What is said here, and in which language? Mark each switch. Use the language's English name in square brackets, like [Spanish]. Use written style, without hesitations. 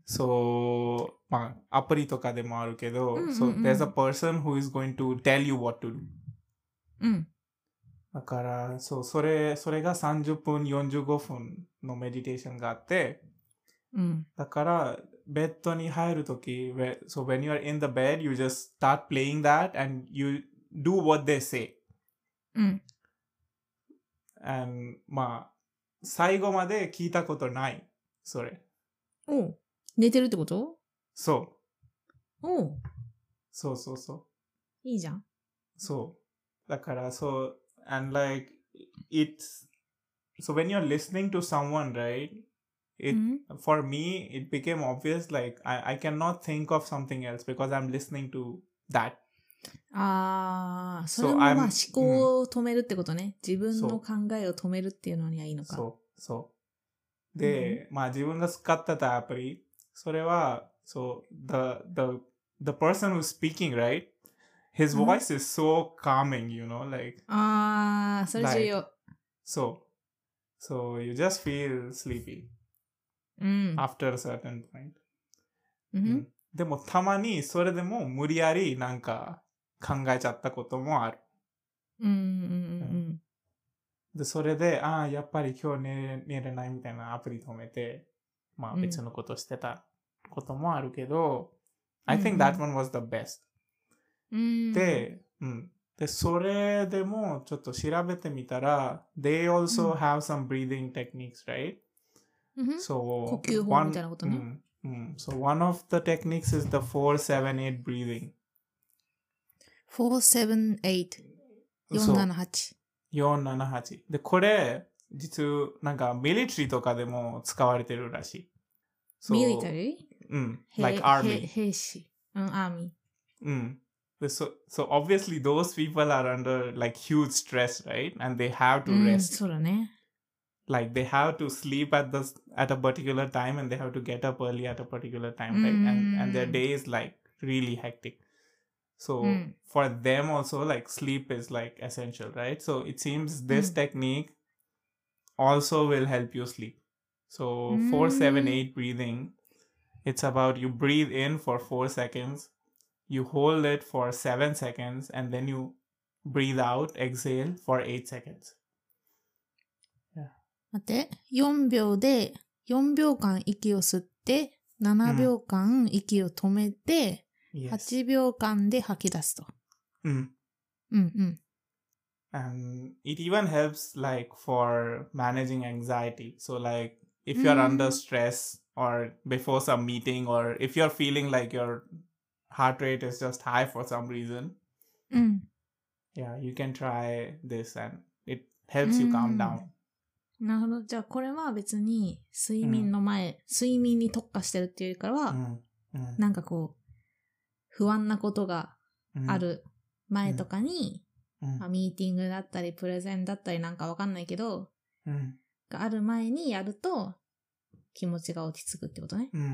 [Japanese] so、まあ、アプリとかでもあるけど、 mm-hmm. [English] so there's a person who is going to tell you what to do [Japanese] うん、だから それが30分45分のメディテーションがあって、うん、だからベッドに入るとき、 [English] so when you are in the bed, you just start playing that and you do what they say、 [Japanese] うん、 and まあ最後まで聞いたことない、それ、お、寝てるってこと？そう、お、そうそうそう、いいじゃん、そう。だから、 [English] so, and like, it's, so when you're listening to someone, right, it,、 mm-hmm. for me, it became obvious, like, I cannot think of something else because I'm listening to that. [Japanese] それもまあ思考を止めるってことね。自分の考えを止めるっていうのにはいいのか。 [English] そう、そう。 [Japanese] で、まあ自分が使ってたアプリ、それは、 [English] so, the person who's speaking, right,His voice、mm-hmm. is so calming, you know, like... [Japanese] Ah, それ重要。 [English] So, so you just feel sleepy、 mm-hmm. after a certain point. Mm-hmm. Mm-hmm. [Japanese] でもたまにそれでも無理やりなんか考えちゃったこともある。 Mm-hmm. Mm-hmm. で、それで、ああ、やっぱり今日寝れないみたいなアプリ止めて、まあ別のことしてたこともあるけど、mm-hmm. [English] I think that one was the best. [Japanese] で、うん、で、それでもちょっと調べてみたら、 [English] they also have some breathing techniques, right? So, [Japanese] 呼吸法みたいなことね。 [English] うん、うん、so one of the techniques is the 4-7-8 breathing. [Japanese] 4-7-8? 478。で、これ、実、なんか、ミリタリーとかでも使われてるらしい。 So, ミリタリー？ [English] うん。like army. [Japanese] 兵士。うん、アーミー。うん。 [English] で、so obviously those people are under like huge stress, right? And they have to rest. [Japanese] そうだね。 [English] Like they have to sleep at a particular time and they have to get up early at a particular time, right? And their day is like really hectic. So for them also, like sleep is like essential, right? So it seems this technique also will help you sleep. So 4-7-8 breathing, it's about you breathe in for 4 seconds, you hold it for 7 seconds, and then you breathe out, exhale for 8 seconds. [Japanese] 待って、4秒で、4秒間息を吸って、7秒間息を止めて、8秒間で吐き出すと。 [English] And it even helps like for managing anxiety. So like, if you're under stress or before some meeting or if you're feeling like your heart rate is just high for some reason, yeah, you can try this and it helps you calm down. [Japanese] なるほど。じゃあ、これは別に、睡眠の前、睡眠に特化してるっていうよりからは、なんかこう、不安なことがある前とかに、ミーティングだったり、プレゼンだったりなんかわかんないけど、がある前にやると、気持ちが落ち着くってことね。